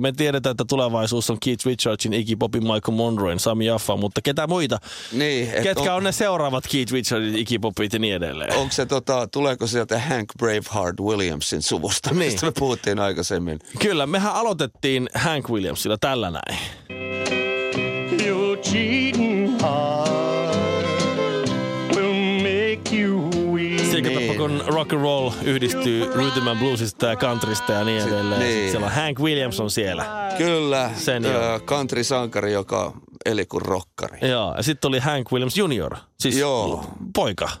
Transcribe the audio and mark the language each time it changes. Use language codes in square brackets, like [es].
[fi] Me tiedetään, että tulevaisuus on Keith Richardsin, Iggy Popin, Michael Monroen, Sami Jaffa, mutta ketä muita? Niin, ketkä on ne seuraavat Keith Richardsin, Iggy Popit ja niin edelleen? Onko se, tuleeko sieltä Hank Braveheart Williamsin suvusta, niin, mistä me puhuttiin aikaisemmin? Kyllä, mehän aloitettiin Hank Williamsilla tällä näin. [en] You're cheating heart will make you weak. [fi] Sikä tapa, kun rock and roll yhdistyy rhythm and bluesista ja countrysta ja niin edelleen. Niin. Siellä on Hank Williams on siellä. Kyllä, country-sankari, joka eli kuin rockkari. Joo, ja sitten oli Hank Williams Junior, siis joo, poika.